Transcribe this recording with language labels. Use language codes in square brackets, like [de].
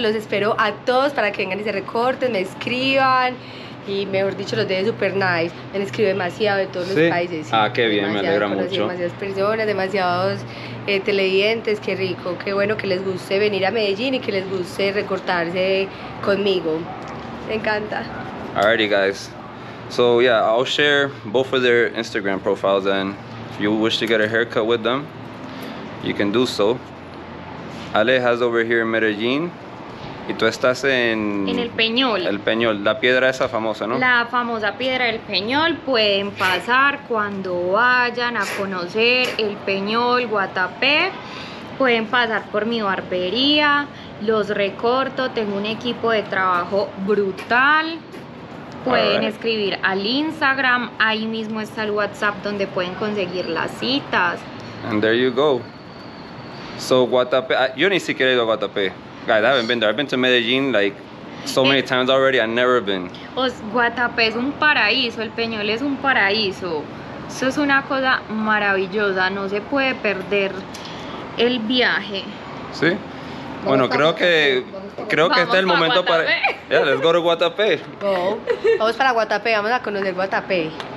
[es] Los espero a todos para que vengan y se recorten, me escriban. Y mejor dicho, los dejé [en] super nice. [es] Me escribe demasiado de todos ¿sí? los países. Ah, qué bien, demasiado, me alegra mucho. Demasiadas personas, demasiados televidentes, qué rico. Qué bueno que les guste venir a Medellín y que les guste recortarse conmigo. Me encanta. [en] Alrighty, guys. So, yeah, I'll share both of their Instagram profiles, and if you wish to get a haircut with them, you can do so. Aleja's over here in Medellin, [es] y tú estás en... En el Peñol. El Peñol, la piedra esa famosa, ¿no? La famosa piedra del Peñol. Pueden pasar cuando vayan a conocer el Peñol, Guatape. Pueden pasar por mi barbería, los recorto, tengo un equipo de trabajo brutal. Pueden right. escribir al Instagram, ahí mismo está el WhatsApp donde pueden conseguir las citas. [en] And there you go. So, [es] Guatape, yo ni siquiera he ido a Guatape. [en] Guys, I haven't been there. I've been to Medellin like so many times already, I've never been. [es] Guatape es un paraíso, el Peñol es un paraíso. Eso es una cosa maravillosa, no se puede perder el viaje. Sí. Bueno, creo que este es el momento para... [en] Yeah, let's go to Guatape. Go. [es] Vamos para Guatape, vamos a conocer Guatape.